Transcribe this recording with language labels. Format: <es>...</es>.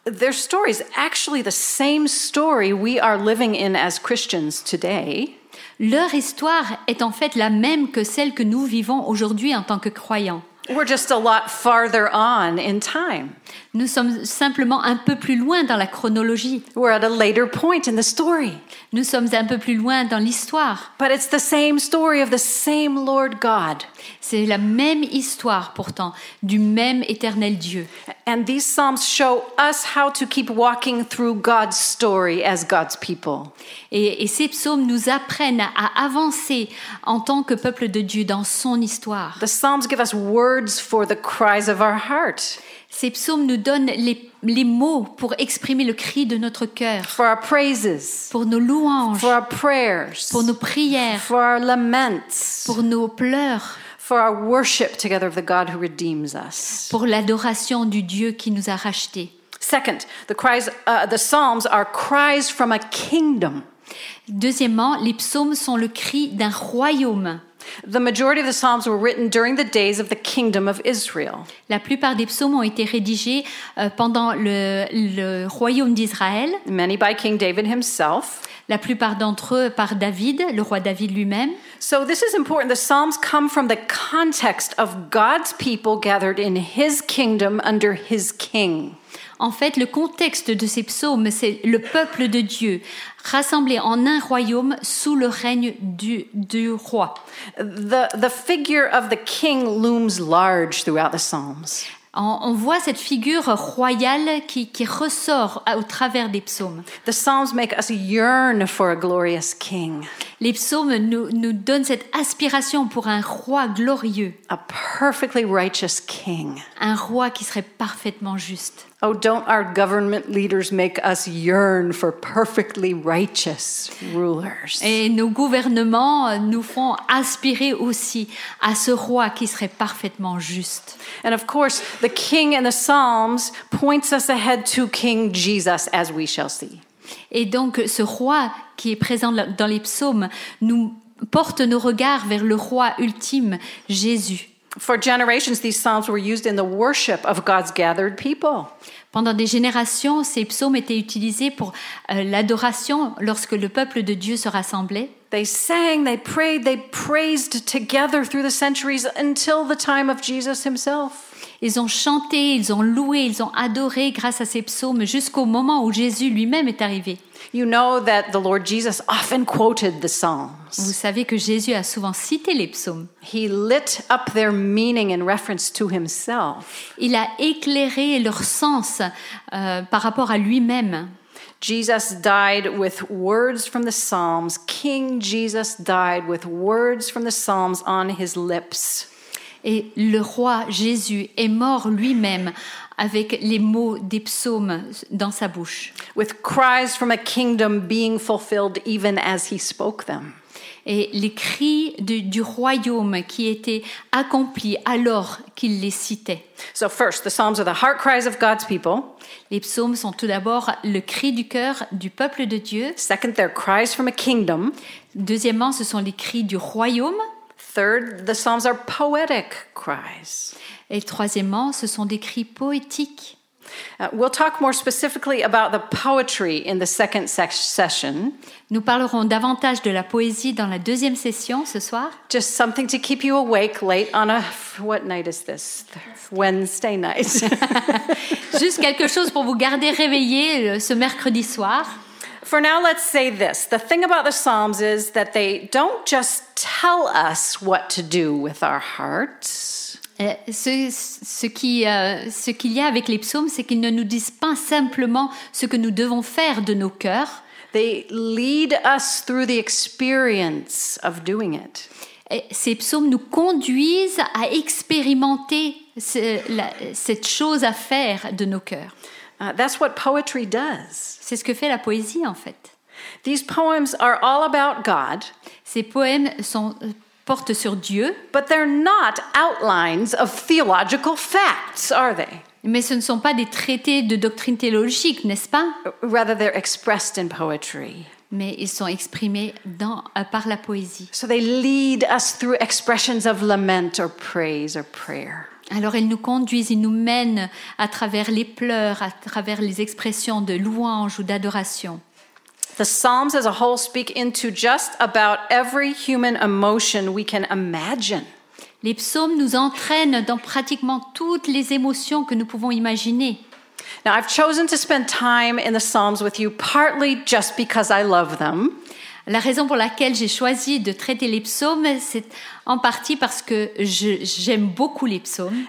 <en>Their story is actually the same story we are living in as Christians today.</en> <fr>Leur histoire est en fait la même que celle que nous vivons aujourd'hui en tant que croyants.</fr> <en>We're just a lot farther on in time.</en> <fr>Nous sommes simplement un peu plus loin dans la chronologie.</fr> <en>We're at a later point in the story.</en> <fr>Nous sommes un peu plus loin dans l'histoire.</fr> <en>But it's the same story of the same Lord God.</en> <fr>C'est la même histoire pourtant du même éternel Dieu.</fr> <en>And these psalms show us how to keep walking through God's story as God's people.</en> <fr>Et ces psaumes nous apprennent à avancer en tant que peuple de Dieu dans son histoire.</fr> <en>The psalms give us words for the cries of our heart.</en> <fr>Ces psaumes nous donnent les mots pour exprimer le cri de notre cœur.</fr> <en>For our praises.</en> <fr>Pour nos louanges.</fr> <en>For our prayers.</en> <fr>Pour nos prières.</fr> <en>For our laments.</en> <fr>Pour nos pleurs.</fr> <en>For our worship together of the God who redeems us.</en> <fr>Pour l'adoration du Dieu qui nous a rachetés.</fr> <en>Second, the psalms are cries from a kingdom.</en> <fr>Deuxièmement, les psaumes sont le cri d'un royaume.</fr> <en>The majority of the psalms were written during the days of the kingdom of Israel.</en> <fr>La plupart des psaumes ont été rédigés pendant le royaume d'Israël.</fr> <en>Many by King David himself.</en> <fr>La plupart d'entre eux par David, le roi David lui-même.</fr> <en>So this is important. The psalms come from the context of God's people gathered in his kingdom under his king.</en> <fr>En fait, le contexte de ces psaumes, c'est le peuple de Dieu rassemblé en un royaume sous le règne du roi.</fr> <en>The figure of the king looms large throughout the Psalms.</en> <fr>On voit cette figure royale qui ressort au travers des psaumes.</fr> <en>The Psalms make us yearn for a glorious king.</en> <fr>Les psaumes nous donnent cette aspiration pour un roi glorieux.</fr> <en>A perfectly righteous king.</en> <fr>Un roi qui serait parfaitement juste.</fr> <en>Oh, don't our government leaders make us yearn for perfectly righteous rulers.</en> <fr>Et nos gouvernements nous font aspirer aussi à ce roi qui serait parfaitement juste.</fr> <en>And of course, the king in the Psalms points us ahead to King Jesus, as we shall see.</en> <fr>Et donc, ce roi qui est présent dans les psaumes nous porte nos regards vers le roi ultime, Jésus.</fr> <en>For generations, these psalms were used in the worship of God's gathered people.</en> <fr>Pendant des générations, ces psaumes étaient utilisés pour l'adoration lorsque le peuple de Dieu se rassemblait.</fr> <en>They sang, they prayed, they praised together through the centuries until the time of Jesus himself.</en> <fr>Ils ont chanté, ils ont loué, ils ont adoré grâce à ces psaumes jusqu'au moment où Jésus lui-même est arrivé.</fr> <en>You know that the Lord Jesus often quoted the Psalms.</en> <fr>Vous savez que Jésus a souvent cité les psaumes.</fr> <en>He lit up their meaning in reference to himself.</en> <fr>Il a éclairé leur sens par rapport à lui-même.</fr> <en>Jesus died with words from the Psalms. King Jesus died with words from the Psalms on his lips.</en> <fr>Et le roi Jésus est mort lui-même avec les mots des psaumes dans sa bouche.</fr> <en>With cries from a kingdom being fulfilled even as he spoke them.</en> <fr>Et les cris du royaume qui étaient accomplis alors qu'il les citait.</fr> <en>So first, the Psalms are the heart cries of God's people.</en> <fr>Les psaumes sont tout d'abord le cri du cœur du peuple de Dieu.</fr> <en>Second, they're cries from a kingdom.</en> <fr>Deuxièmement, ce sont les cris du royaume.</fr> <en>Third, the psalms are poetic cries.</en> <fr>Et troisièmement, ce sont des cris poétiques.</fr> <en>We'll talk more specifically about the poetry in the second session.</en> <fr>Nous parlerons davantage de la poésie dans la deuxième session ce soir.</fr> <en>Just something to keep you awake late on a what night is this? Wednesday night.</en> <fr>Juste quelque chose pour vous garder réveillé ce mercredi soir.</fr> <en>For now, let's say this. The thing about the Psalms is that they don't just tell us what to do with our hearts.</en> <fr>Ce qu'il y a avec les psaumes, c'est qu'ils ne nous disent pas simplement ce que nous devons faire de nos cœurs.</fr> <en>They lead us through the experience of doing it.</en> <fr>Ces psaumes nous conduisent à expérimenter cette chose à faire de nos cœurs.</fr> <en>That's what poetry does.</en> <fr>C'est ce que fait la poésie, en fait.</fr> <en>These poems are all about God.</en> <fr>Ces poèmes portent sur Dieu.</fr> <en>But they're not outlines of theological facts, are they?</en> <fr>Mais ce ne sont pas des traités de doctrine théologique, n'est-ce pas?</fr> <en>Rather, they're expressed in poetry.</en> <fr>Mais ils sont exprimés par la poésie.</fr> <en>So they lead us through expressions of lament or praise or prayer.</en> <fr>Alors ils nous conduisent, ils nous mènent à travers les pleurs, à travers les expressions de louange ou d'adoration.</fr> <en>The Psalms as a whole speak into just about every human emotion we can imagine.</en> <fr>Les psaumes nous entraînent dans pratiquement toutes les émotions que nous pouvons imaginer.</fr> <en>Now I've chosen to spend time in the Psalms with you partly just because I love them.</en> <fr>La raison pour laquelle j'ai choisi de traiter les psaumes, c'est en partie parce que j'aime beaucoup les psaumes.</fr>